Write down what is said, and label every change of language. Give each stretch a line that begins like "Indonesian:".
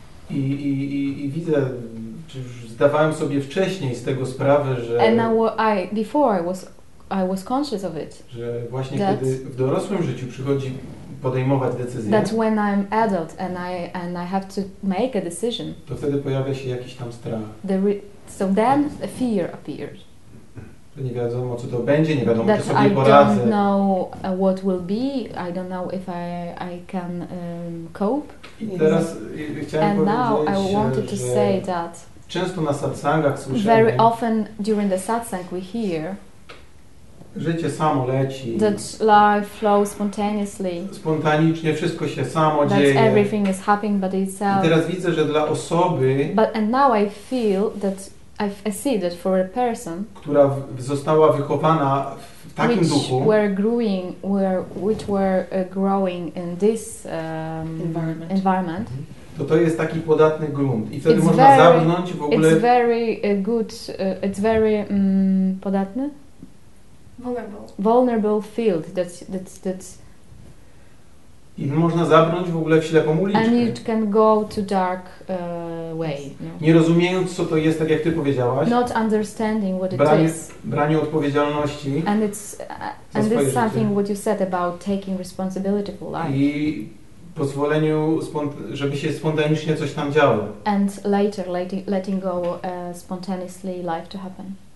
Polish: I widzę, czy już zdawałem sobie wcześniej z tego sprawę, że...
English: And I was conscious of it.
Polish: Że właśnie kiedy w dorosłym życiu przychodzi podejmować decyzję...
English: That when I'm adult and I have to make a decision...
Polish: To wtedy pojawia się jakiś tam strach.
English: So then a fear appears.
Polish: To nie wiadomo, co to będzie, nie wiadomo,
English: that
Polish: czy sobie
English: I
Polish: poradzę.
English: That I don't know what will be, I don't know if I can cope.
Polish: I teraz chciałem
English: and
Polish: powiedzieć,
English: now I wanted to
Polish: że...
English: say that
Polish: często na satsangach słyszymy,
English: very often during the satsang we hear,
Polish: życie samo leci,
English: that life flows spontaneously,
Polish: spontanicznie wszystko się samo
English: that
Polish: dzieje,
English: everything is happening but itself.
Polish: I teraz widzę, że dla osoby,
English: but and now I feel that I see that for a person,
Polish: która została wychowana w takim
English: which
Polish: duchu,
English: which were growing in this environment. Mm-hmm.
Polish: To jest taki podatny grunt i wtedy
English: it's
Polish: można
English: very,
Polish: zabrnąć w ogóle...
English: It's very good, it's very podatny? Vulnerable. Vulnerable field, that's...
Polish: I można zabrnąć w ogóle w ślepą uliczkę.
English: And it can go to dark way. No.
Polish: Nie rozumiejąc, co to jest, tak jak ty powiedziałaś.
English: Not understanding what it is.
Polish: Branie odpowiedzialności.
English: And it's and this something what you said about taking responsibility for life.
Polish: I pozwoleniu, żeby się spontanicznie coś tam działo.
English: And later, letting go spontaneously life to happen.